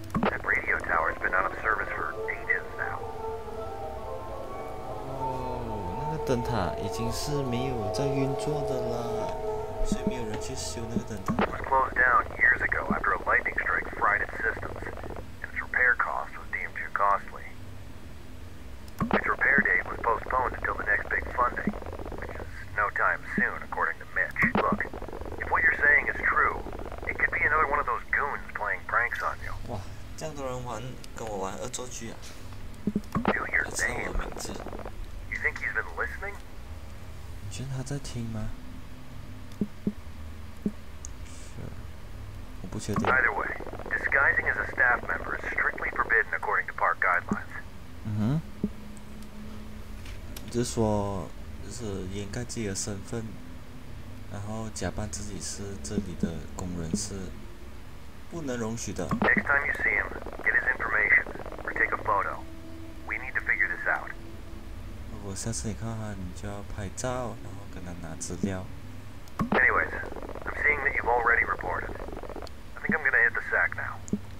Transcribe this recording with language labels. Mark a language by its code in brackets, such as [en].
[en] That radio tower's been out of service for ages now. [zh] 哦，那个灯塔已经是没有在运作的啦，所以没有人去修那个灯塔。 [en] It was closed down years ago after a lightning strike fried its systems, and its repair cost was deemed too costly. Its repair date was postponed until the next big funding. No time soon, according to Mitch. Look, if what you're saying is true, it could be another one of those goons playing pranks on you. [zh] 哇，这样多人玩，跟我玩恶作剧啊！就他知道我的名字。 [en] You think he's been listening? [zh] 你觉得他在听吗？是，我不确定。 [en] Either way, disguising as a staff member is strictly forbidden according to park guidelines. [zh] 嗯哼，就是说。就是掩盖自己的身份，然后假扮自己是这里的工人是不能容许的。 [en] Next time you see him, get his information or take a photo. We need to figure this out. [zh] 如果下次你看到他，你就要拍照，然后跟他拿资料。 [en] Anyways, I'm seeing that you've already reported. I think I'm gonna hit the sack now.